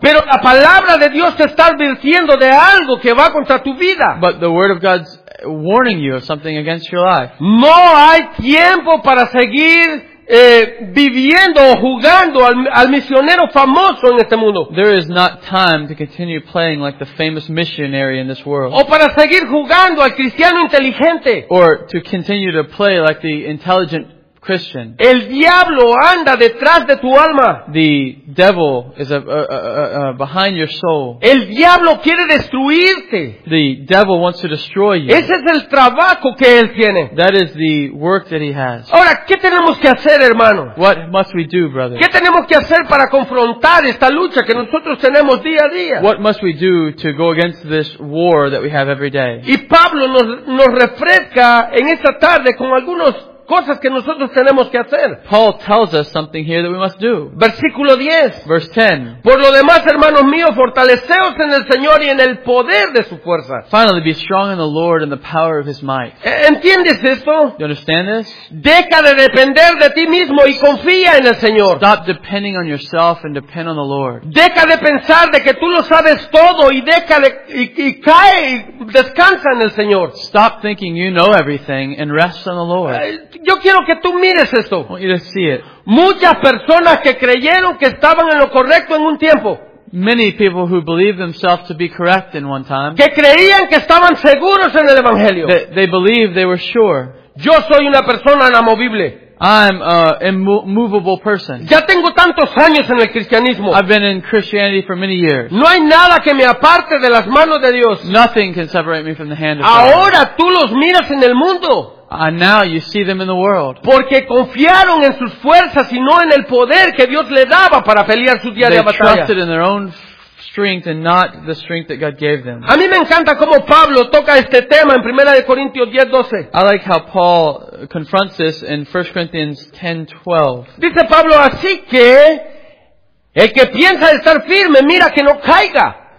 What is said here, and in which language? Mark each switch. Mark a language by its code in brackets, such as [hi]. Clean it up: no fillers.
[es] Pero la palabra de Dios te está advirtiendo de algo que va contra tu vida. [en] But the word of God's warning you of something against your life. [es] No hay tiempo para seguir viviendo o jugando al misionero famoso en este mundo. [en] There is not time to continue playing like the famous missionary in this world. [es] O para seguir jugando al cristiano inteligente. [en] Or to continue to play like the intelligent Christian. [es] El diablo anda detrás de tu alma. [en] The devil is behind your soul. [es] El diablo quiere destruirte. [en] The devil wants to destroy you. [es] Ese es el trabajo que él tiene. [en] That is the work that he has. [es] Ahora, ¿qué tenemos que hacer, hermano? [en] What must we do, brother? [es] ¿Qué tenemos que hacer para confrontar esta lucha que nosotros tenemos día a día? [en] What must we do to go against this war that we have every day? [es] Y Pablo nos refresca en esta tarde con algunos cosas que nosotros tenemos que hacer. [en] Paul tells us something here that we must do. [es] Versículo 10. [en] Verse 10. [es] Por lo demás, hermanos míos, fortaleceos en el Señor y en el poder de su fuerza. [en] Finally, be strong in the Lord and the power of his might. [es] ¿Entiendes esto? [en] You understand this? [es] Deja de depender de ti mismo y confía en el Señor. [en] Stop depending on yourself and depend on the Lord. [es] Deja de pensar de que tú lo sabes todo y deja de y cae y descansa en el Señor. [en] Stop thinking you know everything and rest on the Lord. [es] Yo quiero que tú mires esto. [en] I want you to see it. [es] Muchas personas que creyeron que estaban en lo correcto en un tiempo. [en] Many people who believed themselves to be correct in one time. [es] Que creían que estaban seguros en el evangelio. [en] They believed they were sure. [es] Yo soy una persona inamovible. [en] I'm a immovable person. [es] Ya tengo tantos años en el cristianismo. [en] I've been in Christianity for many years. [es] No hay nada que me aparte de las manos de Dios. [en] Nothing can separate me from the hand of [es] Ahora [en] God. [es] Ahora tú los miras en el mundo. [en] And now you see them in the world. [es] Porque confiaron en sus fuerzas y no en el poder que Dios le daba para pelear su diaria batalla. [en] They trusted in their own strength and not the strength that God gave them. [es] A mí me encanta cómo Pablo toca este tema en 1 Corintios 10, 12. [en] I like how Paul confronts this in 1 Corinthians 10, 12. [es] Dice Pablo, así que el que piensa estar firme, mira que no caiga.